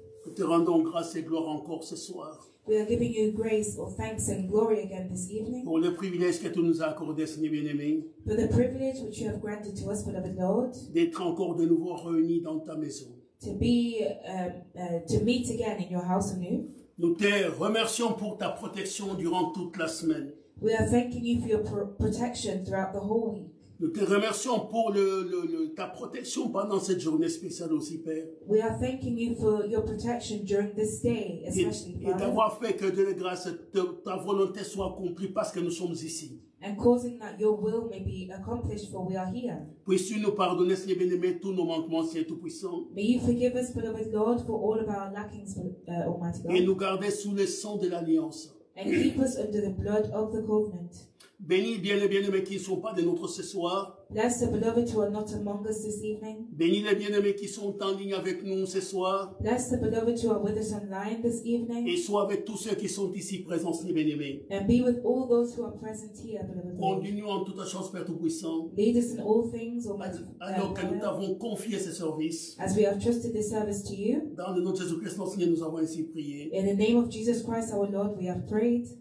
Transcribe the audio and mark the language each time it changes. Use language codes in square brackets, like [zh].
[fr] Nous te rendons grâce et gloire encore ce soir. [en] We are giving you grace or thanks and glory again this evening. [fr] Pour le privilège que tu nous as accordé, Seigneur bien-aimé. [en] For the privilege which you have granted to us, beloved Lord. [fr] D'être encore de nouveau réunis dans ta maison. [en] To be to meet again in your house anew. [fr] Nous te remercions pour ta protection durant toute la semaine. [en] We are thanking you for your protection throughout the whole week. [fr] Nous te remercions pour ta protection pendant cette journée spéciale aussi, Père. [en] We are thanking you for your protection during this day, especially. [fr] Et d'avoir fait que de la grâce, ta volonté soit accomplie parce que nous sommes ici. [en] And causing that your will may be accomplished, for we are here. [fr] Puisses-tu nous pardonner, Seigneur bien-aimé, tous nos manquements, Seigneur tout-puissant. [en] May you forgive us, beloved Lord, for all of our lackings, Almighty God. [fr] Et nous garder sous le sang de l'alliance. [en] And keep us under the blood of the covenant. [fr] Bénis bien les bien-aimés qui ne sont pas de notre ce soir. [en] Bless the beloved who are not among us this evening. [fr] Bénis les bien-aimés qui sont en ligne avec nous ce soir. [en] Bless the beloved who are with us online this evening. [fr] Et sois avec tous ceux qui sont ici présents, les bien-aimés. [en] And be with all those who are present here, beloved. [fr] Continuons en toute chose, Père Tout-Puissant. [en] Lead us in all things, Almighty God. [fr] Alors que nous t'avons confié ce service. [en] As we have trusted this service to you. [fr] Dans le nom de Jésus-Christ, notre Seigneur, nous avons ainsi prié. [en] In the name of Jesus Christ, our Lord, we have prayed.